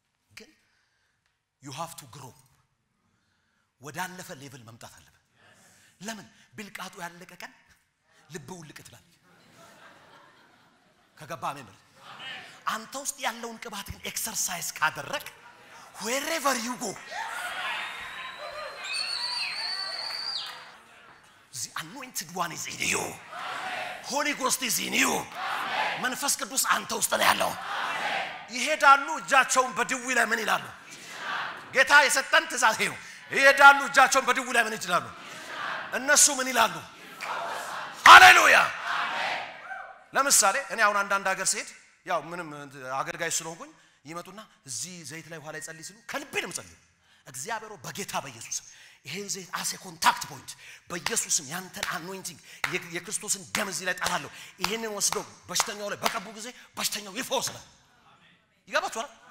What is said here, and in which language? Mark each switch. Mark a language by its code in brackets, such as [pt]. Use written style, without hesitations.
[en] Okay? You have to grow. [am] ወዳለፈ ሌቭል መምጣት አለበት። ለምን? ብልቃጡ ያለቀቀን ልብው ልቀትላል። ከገባ አመን ብለ። አንተ ውስጥ ያለውን ቅባት ግን ኤክሰርሳይዝ ካደረክ [en] wherever you go. The anointed one is in you. Holy Ghost is in you. [am] መንፈስ ቅዱስ አንተ ውስጥ ነው ያለው። ይሄዳሉ እጃቸውን በድውይ ላይ ምን ይላሉ? ጌታ የሰጠን ትእዛዝ ነው። ይሄዳሉ እጃቸውን በድውይ ላይ ምን ይላሉ? እነሱ ምን ይላሉ? ሃሌሉያ አሜን። ለምሳሌ እኔ አሁን አንድ ሀገር ሲሄድ ያው ምንም አገልጋይ ስለሆንኩኝ ይመጡና እዚህ ዘይት ላይ ውሃ ላይ ጸልይ ሲሉ ከልቤ ነው ጸልይ። እግዚአብሔር በጌታ በኢየሱስ ይሄን ዘይት አስ ኮንታክት ፖይንት በኢየሱስም ያንተን አኖይንቲንግ የክርስቶስን ደም እዚህ ላይ ጣላለሁ። ይሄንን ወስዶ በሽተኛው ላይ በቀቡ ጊዜ በሽተኛው ይፈወሳል። ይገባችኋል?